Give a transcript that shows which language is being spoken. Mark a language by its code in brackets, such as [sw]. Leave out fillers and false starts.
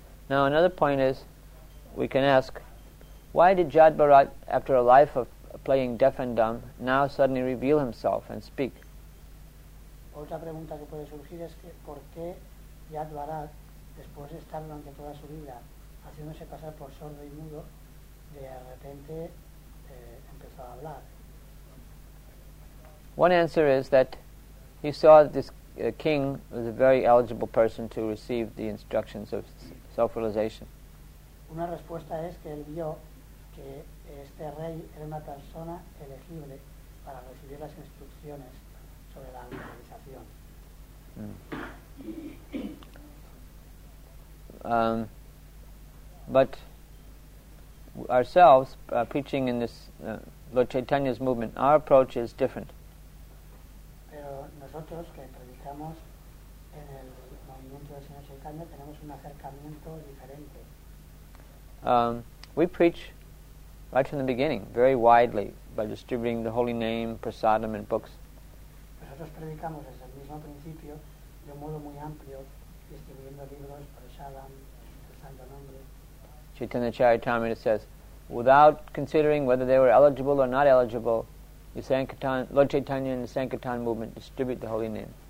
[en] Now another point is, we can ask, why did Jad Bharat, after a life of playing deaf and dumb, now suddenly reveal himself and speak? [es] Otra pregunta que puede surgir es que ¿por qué Jad Bharat, después de estar durante toda su vida haciéndose pasar por sordo y mudo, de repente empezó a hablar? [en] One answer is that he saw that this king was a very eligible person to receive the instructions of self-realization. [es] Una respuesta es que él vio que este rey era una persona elegible para recibir las instrucciones sobre la autorización. [en] But ourselves, preaching in this Lord Chaitanya's movement, our approach is different. [es] Pero nosotros que predicamos en el movimiento del Señor Chaitanya tenemos un acercamiento diferente. [en] We preach right from the beginning, very widely, by distributing the holy name, prasadam, and books. [es] Nosotros predicamos desde el mismo principio, de un modo muy amplio, distribuyendo libros, prasadam, el santo nombre. [en] Chaitanya Charitamrita says, without considering whether they were eligible or not eligible, the Sankirtan, Lord Chaitanya and the Sankirtan movement distribute the holy name.